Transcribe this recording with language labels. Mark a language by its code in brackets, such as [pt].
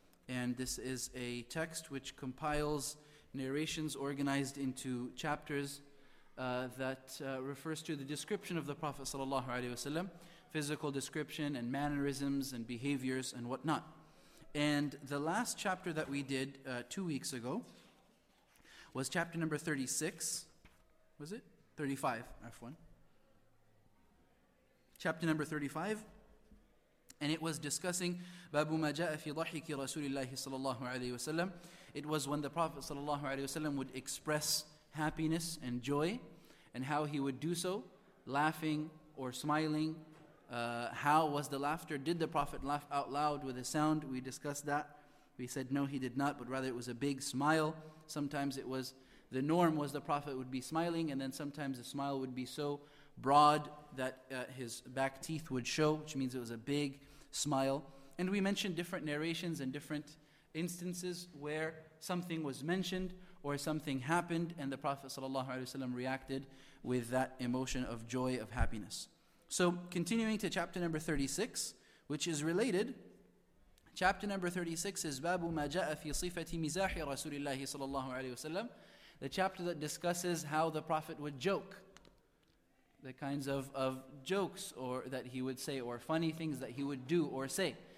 [en] And this is a text which compiles narrations organized into chapters that refers to the description of the Prophet sallallahu alaihi wasallam, physical description and mannerisms and behaviors and whatnot. And the last chapter that we did 2 weeks ago was chapter number 36, was it? 35, F1. Chapter number 35, and it was discussing [ar] بَابُ مَا جَاءَ فِي ضَحِكِ رَسُولِ اللَّهِ صَلَى اللَّهُ عَلَيْهِ وَسَلَّمُ. [en] It was when the Prophet صلى الله عليه وسلم would express happiness and joy, and how he would do so, laughing or smiling. How was the laughter? Did the Prophet laugh out loud with a sound? We discussed that. We said no, he did not, but rather it was a big smile. Sometimes it was, the norm was the Prophet would be smiling, and then sometimes the smile would be so broad that his back teeth would show, which means it was a big smile. And we mentioned different narrations and different instances where something was mentioned or something happened and the Prophet ﷺ reacted with that emotion of joy, of happiness. So continuing to chapter number 36, which is related. Chapter number 36 is [ar] بَابُ مَا جَاءَ فِي صِفَةِ مِزَاحِ رَسُولِ اللَّهِ صَلَى اللَّهُ عَلَيْهِ وَسَلَّمُ. [en] The chapter that discusses how the Prophet would joke, the kinds of jokes or that he would say, or funny things that he would do or say.